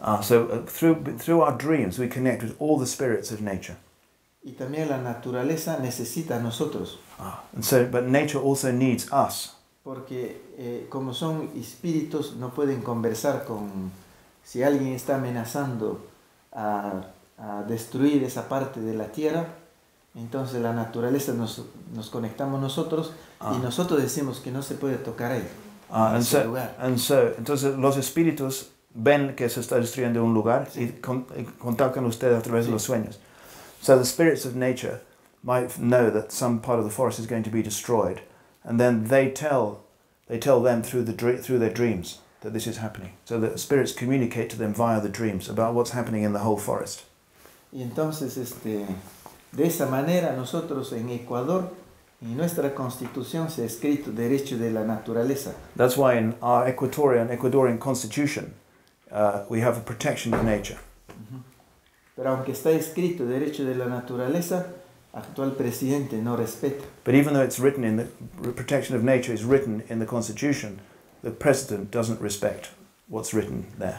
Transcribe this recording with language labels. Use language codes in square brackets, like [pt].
[en] Ah, so through our dreams we connect with all the spirits of nature. [es] Y también la naturaleza necesita a nosotros. [en] Ah, and so, but nature also needs us. [es] Porque como son espíritus, no pueden conversar con... Si alguien está amenazando a destruir esa parte de la tierra, entonces la naturaleza nos conectamos nosotros y nosotros decimos que no se puede tocar ahí, en ese lugar. Entonces los espíritus ven que se está destruyendo un lugar, sí, y contactan ustedes a través, sí, de los sueños. [en] So the spirits of nature might know that some part of the forest is going to be destroyed. And then they tell them through their dreams that this is happening. So the spirits communicate to them via the dreams about what's happening in the whole forest. [es] Y entonces de esa manera nosotros en Ecuador, en nuestra constitución se ha escrito derecho de la naturaleza. [en] That's why in our Ecuadorian constitution, we have a protection of nature. [es] Pero aunque está escrito derecho de la naturaleza, actual presidente no respeta. [en] But even though it's written in the protection of nature is written in the constitution, the president doesn't respect what's written there.